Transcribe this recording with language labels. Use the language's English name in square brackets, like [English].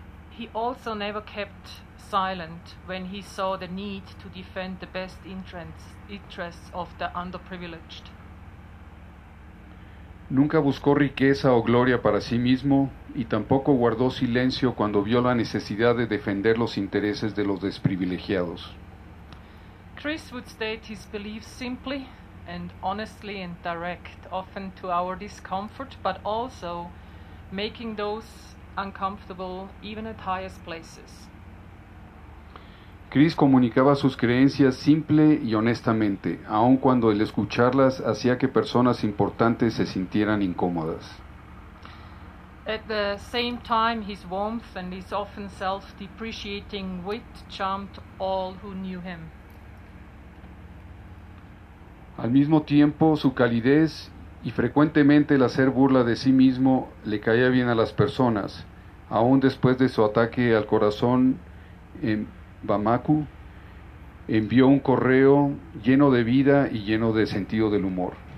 [English] He also never kept silent when he saw the need to defend the best interests of the underprivileged. [Spanish] Nunca buscó riqueza o gloria para sí mismo y tampoco guardó silencio cuando vio la necesidad de defender los intereses de los desprivilegiados. [English] Chris would state his beliefs simply and honestly and direct, often to our discomfort, but also making those uncomfortable even at highest places. [Spanish] Chris comunicaba sus creencias simple y honestamente, aun cuando el escucharlas hacía que personas importantes se sintieran incómodas. [English] At the same time, his warmth and his often self-depreciating wit charmed all who knew him. [Spanish] Al mismo tiempo, su calidez y frecuentemente el hacer burla de sí mismo le caía bien a las personas, aun después de su ataque al corazón en Bamako, envió un correo lleno de vida y lleno de sentido del humor.